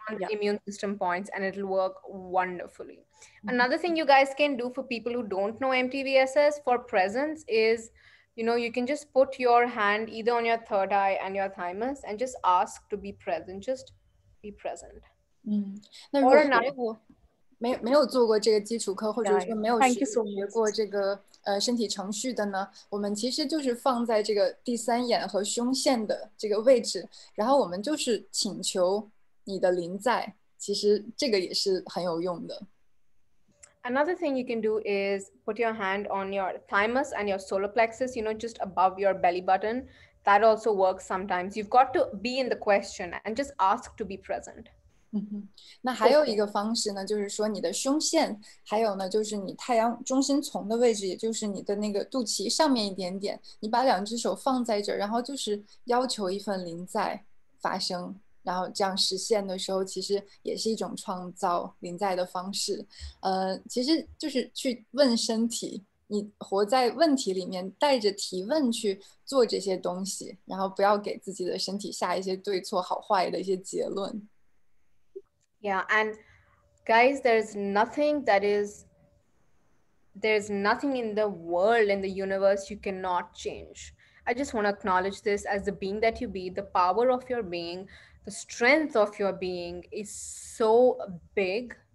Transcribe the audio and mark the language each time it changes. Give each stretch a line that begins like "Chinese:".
English: Immune system points, and it'll work wonderfully. Another thing you guys can do for people who don't know MTVSS for presence is, you know, you can just put your hand either on your third eye and your thymus and just ask to be present, just be present. Or another.
Chinese: 没有做过这个基础课，或者说没有学过这个身体程序的呢，我们其实就是放在这个第三眼和胸腺的这个位置，然后我们就是请求你的临在，其实这个也是很有用的。
English: Another thing you can do is put your hand on your thymus and your solar plexus, you know, just above your belly button. That also works sometimes. You've got to be in the question and just ask to be present.
Chinese: 那还有一个方式呢，就是说你的胸腺，还有呢就是你太阳中心丛的位置，也就是你的那个肚脐上面一点点，你把两只手放在这，然后就是要求一份临在发生，然后这样实现的时候其实也是一种创造临在的方式。其实就是去问身体，你活在问题里面，带着提问去做这些东西，然后不要给自己的身体下一些对错好坏的一些结论。
English: Yeah, and guys, there's nothing in the world, in the universe, you cannot change. I just want to acknowledge this as the being that you be, the power of your being, the strength of your being is so big.